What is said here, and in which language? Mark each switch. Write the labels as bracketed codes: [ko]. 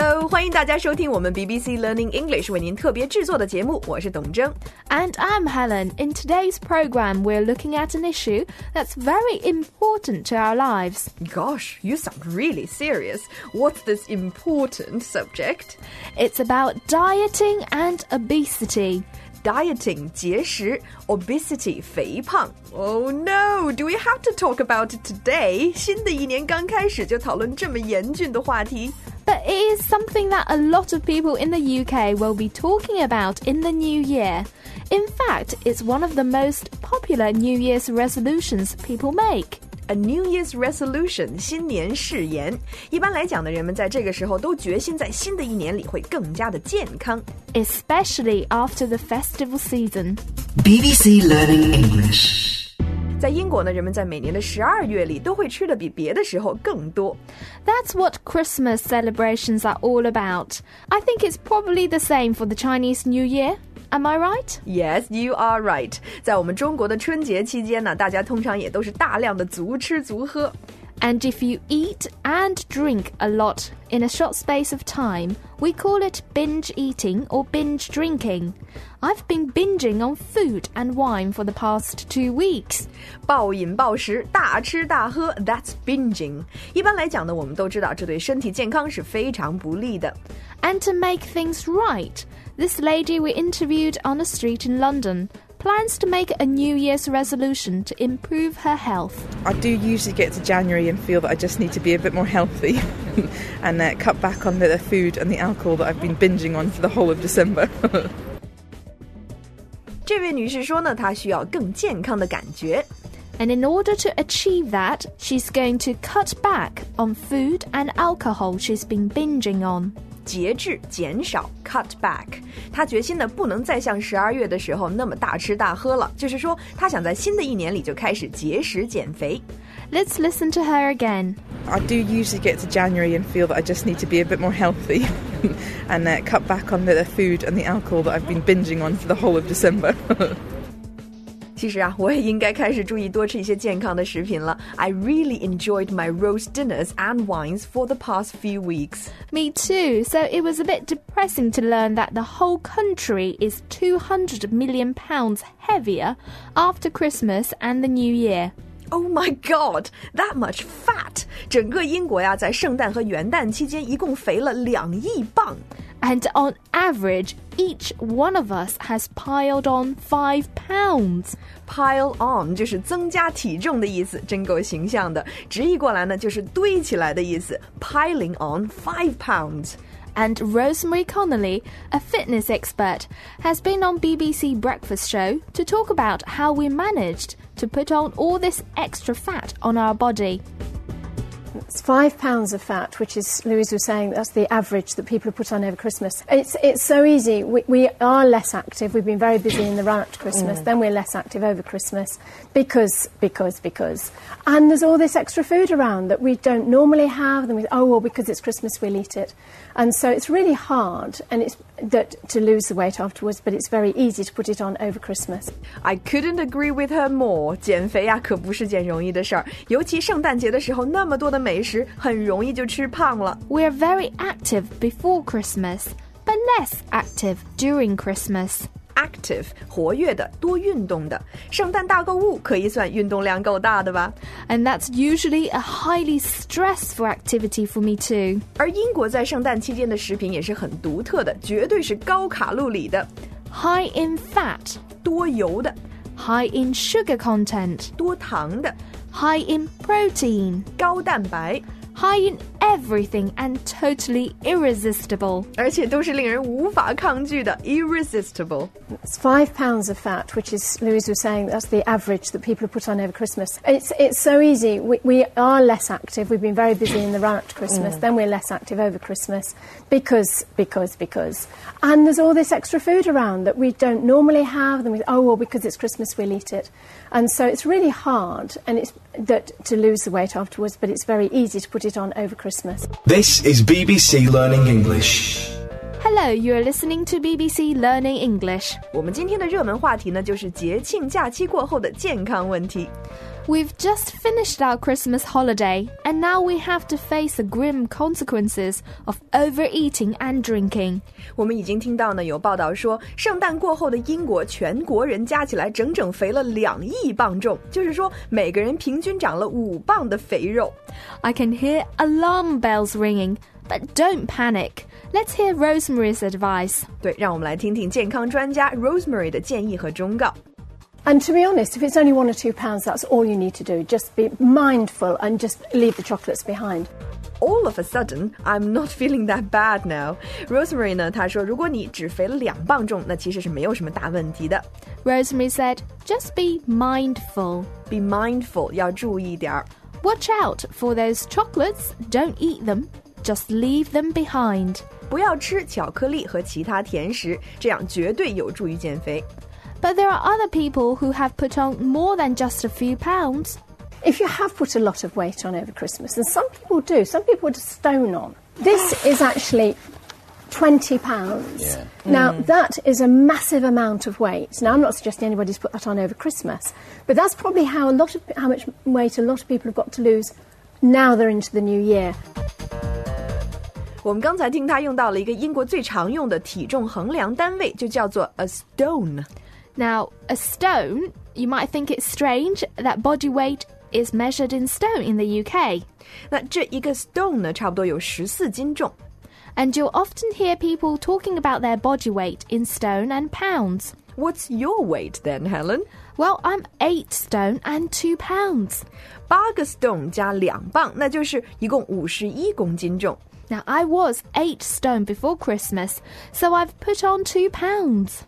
[zh] 欢迎大家收听我们 BBC Learning English 为您特别制作的节目，我是董征。 [en] And I'm Helen. In today's program, we're looking at an issue that's very important to our lives. Gosh, you sound really serious. What's this important subject? It's about dieting and obesity. [zh] Dieting, 节食 obesity, 肥胖。 [en] Oh no, do we have to talk about it today? [zh] 新的一年刚开始就讨论这么严峻的话题。 [en] But it is something that a lot of people in the UK will be talking about in the new year. In fact, it's one of the most popular New Year's resolutions people make. A New Year's resolution, 新年誓言。 [zh] 一般来讲呢，人们在这个时候都决心在新的一年里会更加的健康。 [en] Especially after the festival season. BBC Learning English. [zh] 在英国呢，人们在每年的十二月里都会吃的比别的时候更多。 [en] That's what Christmas celebrations are all about. I think it's probably the same for the Chinese New Year. Am I right? Yes, you are right. [zh] 在我们中国的春节期间呢，大家通常也都是大量的足吃足喝。 [en] And if you eat and drink a lot in a short space of time, we call it binge eating or binge drinking. I've been binging on food and wine for the past 2 weeks. [zh] 暴饮暴食，大吃大喝 [en] that's binging. [zh] 一般来讲呢，我们都知道这对身体健康是非常不利的。 [en] And to make things right, this lady we interviewed on the street in London,plans to make a New Year's resolution to improve her health. I do usually get to January and feel that I just need to be a bit more healthy and cut back on the food and the alcohol that I've been binging on for the whole of December. [zh] 这位女士说呢，她需要更健康的感觉。 [en] And in order to achieve that, she's going to cut back on food and alcohol she's been binging on. [zh] 节制减少 cut back 他决心呢不能再像十二月的时候那么大吃大喝了就是说他想在新的一年里就开始节食减肥 [en] Let's listen to her again I do usually get to January and feel that I just need to be a bit more healthy and cut back on the food and the alcohol that I've been binging on for the whole of December [zh] 其实啊我也应该开始注意多吃一些健康的食品了 [en] I really enjoyed my roast dinners and wines for the past few weeks Me too, so it was a bit depressing to learn that the whole country is 200 million pounds heavier after Christmas and the New Year Oh my god, that much fat [zh] 整个英国呀在圣诞和元旦期间一共肥了两亿磅 [en] And on average, each one of us has piled on 5 pounds. [zh] Pile on 就是增加体重的意思，真够形象的。直译过来呢，就是堆起来的意思。 [en] Piling on 5 pounds. And Rosemary Connolly, a fitness expert, has been on BBC Breakfast Show to talk about how we managed to put on all this extra fat on our body. It's 5 pounds of fat, which is, Louise was saying, that's the average that people put on over Christmas. It's so easy. We are less active. We've been very busy in the run-up to Christmas. Then we're less active over Christmas because. And there's all this extra food around that we don't normally have. And because it's Christmas, we'll eat it. And so it's really hard and to lose the weight afterwards, but it's very easy to put it on over Christmas. I couldn't agree with her more. [zh] 减肥呀、啊、可不是件容易的事儿，尤其圣诞节的时候那么多的美食，很容易就吃胖了。 [en] We are very active before Christmas, but less active during Christmas. [zh] Active, 活跃的，多运动的。圣诞大购物可以算运动量够大的吧。 [en] And that's usually a highly stressful activity for me too. [zh] 而英国在圣诞期间的食品也是很独特的，绝对是高卡路里的。 [en] High in fat, [zh] 多油的。 [en] High in sugar content, [zh] 多糖的。 [en] High in protein, [zh] 高蛋白。 [en] High in everything and totally irresistible. [zh] 而且都是令人无法抗拒的 irresistible. [en] It's 5 pounds of fat, which is, Louise was saying, that's the average that people put on over Christmas. It's so easy. We are less active. We've been very busy in the run-up to Christmas. Then we're less active over Christmas because. And there's all this extra food around that we don't normally have. And because it's Christmas, we'll eat it. And so it's really hard and to lose the weight afterwards, but it's very easy to put it on over Christmas. This is BBC Learning English. Hello, you are listening to BBC Learning English. [zh] 我们今天的热门话题呢，就是节庆假期过后的健康问题。 [en] We've just finished our Christmas holiday, and now we have to face the grim consequences of overeating and drinking. [zh] 我们已经听到呢，有报道说，圣诞过后的英国全国人加起来整整肥了2亿磅重，就是说每个人平均长了5磅的肥肉。 [en] I can hear alarm bells ringing, but don't panic. Let's hear Rosemary's advice. [zh] 对，让我们来听听健康专家 Rosemary 的建议和忠告。 [en] And to be honest, if it's only 1 or 2 pounds, that's all you need to do. Just be mindful and just leave the chocolates behind. All of a sudden, I'm not feeling that bad now. [zh] Rosemary 呢，她说如果你只肥了2磅重，那其实是没有什么大问题的。 [en] Rosemary said, just be mindful. Be mindful, 要注意点。 Watch out for those chocolates. Don't eat them. Just leave them behind. [zh] 不要吃巧克力和其他甜食，这样绝对有助于减肥。 [en] But there are other people who have put on more than just a few pounds. If you have put a lot of weight on over Christmas, and some people do, some people put a stone on. This is actually 20 pounds. Yeah. Now, that is a massive amount of weight. Now, I'm not suggesting anybody's put that on over Christmas, but that's probably how much weight a lot of people have got to lose now they're into the new year. [zh] 我们刚才听他用到了一个英国最常用的体重衡量单位，就叫做 a stone. [en] Now, a stone, you might think it's strange that body weight is measured in stone in the UK. [zh] 那这一个 stone 呢，差不多有14斤重。 [en] And you'll often hear people talking about their body weight in stone and pounds. What's your weight then, Helen? Well, I'm 8 stone and 2 pounds. [zh] 8个 stone 加2磅，那就是一共51公斤重。 [en] Now, I was 8 stone before Christmas, so I've put on 2 pounds.